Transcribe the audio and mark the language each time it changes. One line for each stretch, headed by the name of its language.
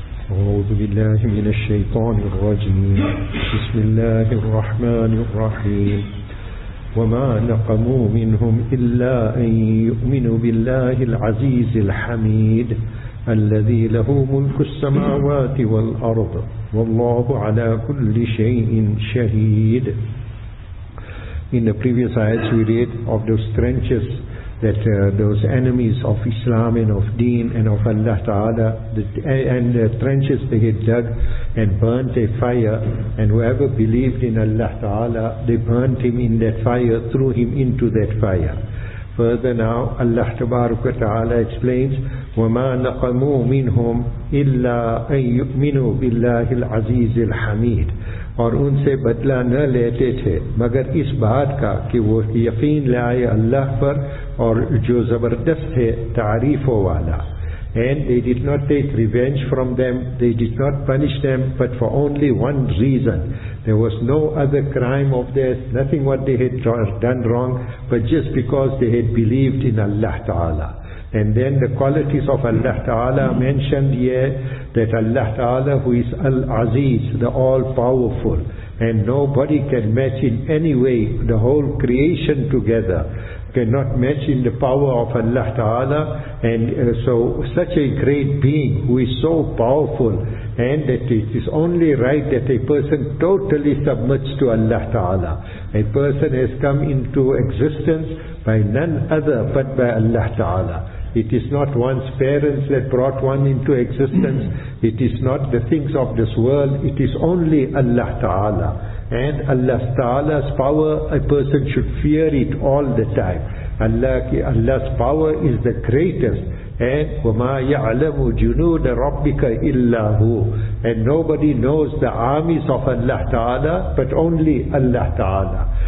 Arabic: أعوذ بالله من الشيطان الرجيم. بسم الله الرحمن الرحيم. وما نقموا منهم إلا أن يؤمنوا بالله العزيز الحميد الذي له ملك السماوات والأرض والله على كل شيء شهيد.
English: In the previous ayats we read of those trenches that those enemies of Islam and of Deen and of Allah Ta'ala, the trenches they had dug and burnt a fire, and whoever believed in Allah Ta'ala, they burnt him in that fire, threw him into that fire. Further now, Allah Tabaraka Ta'ala explains,
Arabic: وَمَا نَقَمُوا مِنْهُمْ إِلَّا أَن يُؤْمِنُوا بِاللَّهِ الْعَزِيزِ الْحَمِيدِ.
Urdu: اور ان سے بدلہ نہ لیتے تھے مگر اس بات کا کہ وہ یقین لائے اللہ پر اور جو زبردست ہے تعریفوں والا.
English: And they did not take revenge from them, they did not punish them, but for only one reason. There was no other crime of theirs, nothing what they had done wrong, but just because they had believed in Allah Ta'ala. And then the qualities of Allah Ta'ala mentioned here, that Allah Ta'ala, who is Al-Aziz, the All-Powerful, and nobody can match in any way, the whole creation together cannot match in the power of Allah Ta'ala. And so such a great being who is so powerful, and that it is only right that a person totally submits to Allah Ta'ala. A person has come into existence by none other but by Allah Ta'ala. It is not one's parents that brought one into existence. It is not the things of this world. It is only Allah Ta'ala. And Allah Ta'ala's power, a person should fear it all the time. Allah's power is the greatest.
Arabic: And وَمَا يَعْلَمُ جُنُودَ رَبِّكَ إِلَّا هُوَ.
English: And nobody knows the armies of Allah Ta'ala but only Allah Ta'ala.